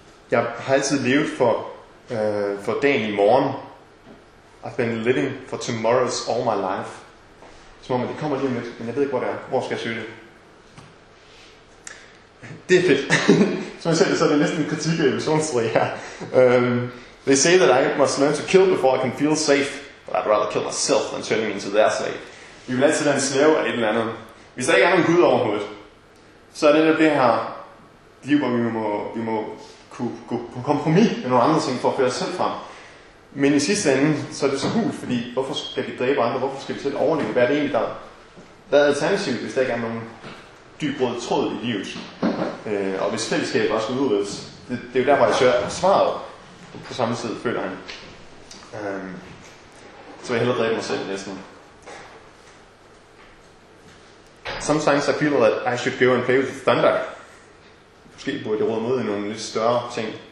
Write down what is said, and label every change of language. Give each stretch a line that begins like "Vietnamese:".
Danish: Jeg har altid levet for dagen i morgen.
English: I've been living for tomorrow's all my life.
Danish: Som om det kommer lige om lidt, men jeg ved ikke, hvor det er. Hvor skal jeg søge det? Det er fedt. Som jeg sagde, så er det næsten en kritik af illusionsstrig her.
English: They say that I must learn to kill before I can feel safe. But I'd rather kill myself than turning me into their slave.
Danish: Vi vil altid være en slave af et eller andet. Hvis der ikke er nogen Gud overhovedet, så er det netop det her liv, hvor vi må kunne gå på kompromis med nogle andre ting for at føre os selv frem. Men i sidste ende, så er det så hul, fordi hvorfor skal vi dræbe andre? Hvorfor skal vi selv overleve? Hvad er det egentlig, der er alternativt, hvis der ikke er nogen dyb rød tråd i livet? Og hvis fællesskabet også skal udredes, det er jo der, hvor jeg søger svaret på samme tid, føler han. Så vil jeg hellere dræbe mig selv næsten.
English: Sometimes I feel that I should go and play with thunder.
Danish: Måske burde jeg råde mod i nogle lidt større ting.